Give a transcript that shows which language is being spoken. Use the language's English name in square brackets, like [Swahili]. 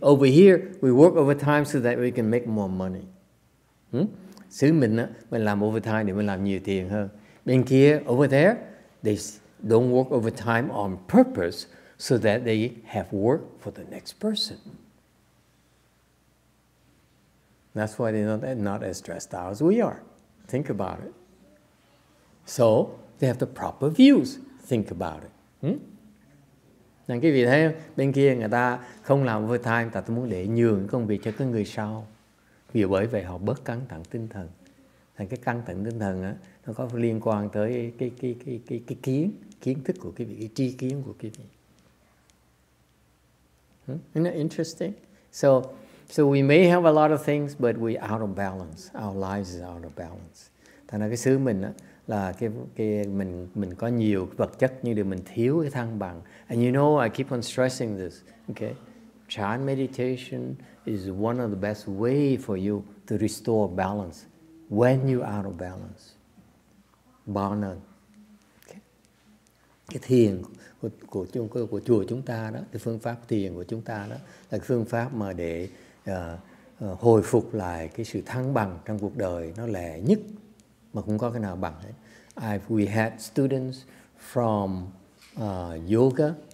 [English] Over here, we work overtime so that we can make more money. [Vietnamese] Xứ mình, đó, mình làm overtime để mình làm nhiều tiền hơn. Bên kia, [English] over there, they don't work overtime on purpose so that they have work for the next person. That's why they're not as stressed out as we are. Think about it. So, they have the proper views. Think about it. [Vietnamese] Nên quý vị thấy bên kia người ta không làm overtime, tại tôi muốn để nhường công việc cho cái người sau. Vì bởi vậy họ bớt căng thẳng tinh thần. Thành cái căng thẳng tinh thần á, nó có liên quan tới cái kiến thức của quý vị, cái tri kiến của quý vị. [English] Isn't that interesting? So we may have a lot of things, but we out of balance. Our lives is out of balance. [Vietnamese] Thành ra cái xứ mình á, là mình có nhiều vật chất nhưng điều mình thiếu cái thăng bằng. [English] And you know, I keep on stressing this, okay? Chan meditation is one of the best way for you to restore balance when you out of balance. Bonan. Okay. [Vietnamese] Cái thiền của chùa chúng ta đó, cái phương pháp thiền của chúng ta đó là cái phương pháp mà để hồi phục lại cái sự thăng bằng trong cuộc đời nó lẻ nhất mà không có cái nào bằng hết. [English] We had students from yoga.